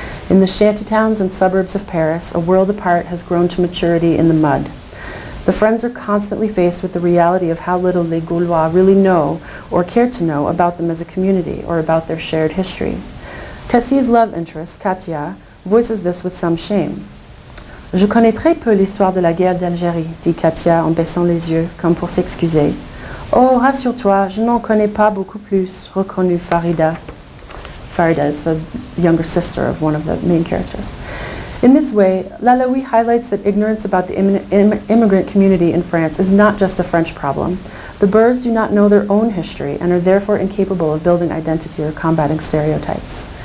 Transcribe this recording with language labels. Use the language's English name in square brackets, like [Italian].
[English] In the shantytowns and suburbs of Paris, a world apart has grown to maturity in the mud. The friends are constantly faced with the reality of how little les Gaulois really know or care to know about them as a community or about their shared history. Cassie's love interest, Katia, voices this with some shame. [French] Je connais très peu l'histoire de la guerre d'Algérie, dit Katia en baissant les yeux, comme pour s'excuser. Oh, rassure-toi, je n'en connais pas beaucoup plus, reconnut Farida. [English] Farida is the younger sister of one of the main characters. In this way, Lalouie highlights that ignorance about the immigrant community in France is not just a French problem. The Burrs do not know their own history and are therefore incapable of building identity or combating stereotypes.